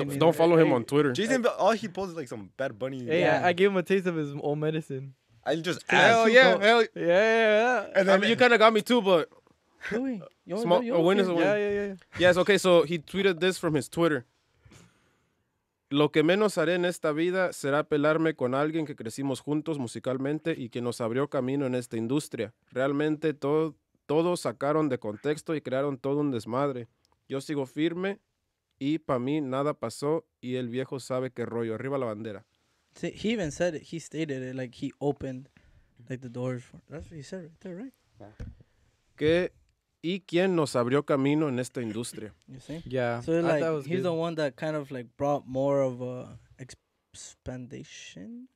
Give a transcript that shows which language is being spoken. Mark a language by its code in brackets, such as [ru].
[en] Don't follow him on Twitter. Jason, all he posts is like some Bad Bunny. Yeah, I gave him a taste of his old medicine. I just asked. Hell yeah. And then, I mean, you kind of got me too, but... A win is a win. Yeah. Yes, okay, so he tweeted this from his Twitter. [es] Lo que menos haré en esta vida será pelarme con alguien que crecimos juntos musicalmente y que nos abrió camino en esta industria. Realmente todos sacaron de contexto y crearon todo un desmadre. Yo sigo firme y para mí nada pasó y el viejo sabe qué rollo. Arriba la bandera. [en] He even said it. He stated it like he opened, like the doors. That's what he said right there, right? [es] Que y quién nos abrió camino en esta industria? [en] You see? Yeah. So like, he's good. The one that kind of like brought more of a expansion.